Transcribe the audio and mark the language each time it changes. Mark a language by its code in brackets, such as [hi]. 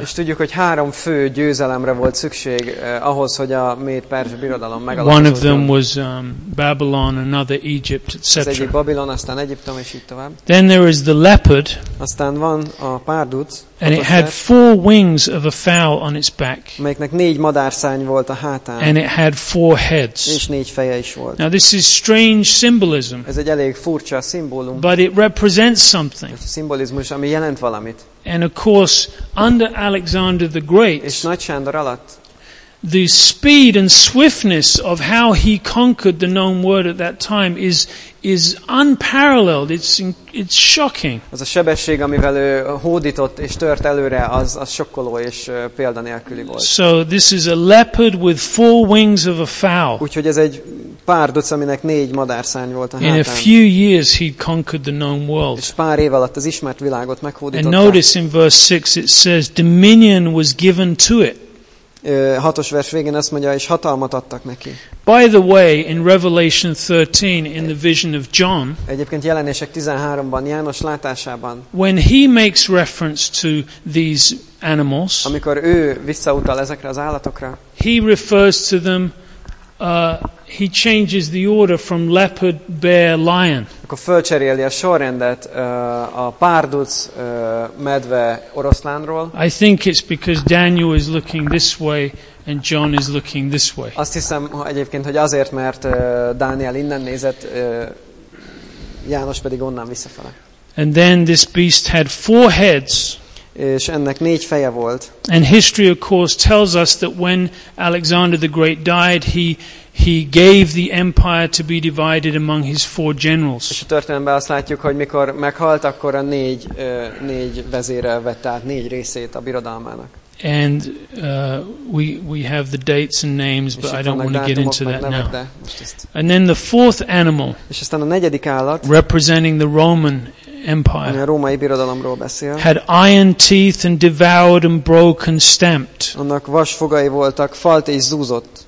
[hu] És tudjuk, hogy három fő győzelemre volt szükség ahhoz, hogy a méd perzsa birodalom megalapozódjon. [en] One of them was Babylon, another Egypt, etc. [hu] Az egyik Babilon, aztán Egyiptom, és így tovább. [en] Then there is the leopard. [hu] Aztán van a párduc. [en] And it had four wings of a fowl on its back. [hu] Melyiknek négy madárszárny volt a hátán. [en] And it had four heads. [hu] És négy feje is volt. [en] Now this is strange symbolism. [hu] Ez egy elég furcsa szimbólum. [en] But it represents something. [hu] A szimbolizmus, ami jelent valamit. [en] And of course, under Alexander the Great, [hu] és Nagy Sándor alatt, [en] the speed and swiftness of how he conquered the known world at that time is unparalleled. It's shocking. [hu] Az a sebesség, amivel ő hódított és tört előre, az sokkoló és példanélküli volt. [en] So this is a leopard with four wings of a fowl. [hu] Úgyhogy ez egy párduc, aminek négy madárszárny volt a hátán. [en] In a few years he conquered the known world. [hu] És pár év alatt az ismert világot meghódította. [en] And notice in verse 6 it says dominion was given to it. [hu] Hatos vers végén azt mondja, és hatalmat adtak neki. [en] By the way, in Revelation 13, in the vision of John, [hu] egyébként Jelenések 13-ban, János látásában, [en] when he makes reference to these animals, [hu] amikor ő visszautal ezekre az állatokra, [en] he refers to them, he changes the order from leopard, bear, lion. [hu] Akkor fölcseréli a sorrendet a párduc, medve, oroszlánról. [en] I think it's because Daniel is looking this way and John is looking this way. [hu] Azt hiszem egyébként, hogy azért, mert Dániel innen nézett, János pedig onnan visszafele. [en] And then this beast had four heads. [hu] És ennek négy feje volt. [en] And history of course tells us that when Alexander the Great died, he gave the empire to be divided among his four generals. [hu] És a történetben azt látjuk, hogy mikor meghalt, akkor a négy vezérrel vette át négy részét a birodalmának. [en] And we have the dates and names, but I don't want to get into that now. And then the fourth animal, [hu] és aztán a negyedik állat, [en] representing the Roman Empire, [hu] a római birodalomról beszél, [en] had iron teeth and devoured and broke and stamped. [hu] Annak vas fogai voltak, falt és zúzott.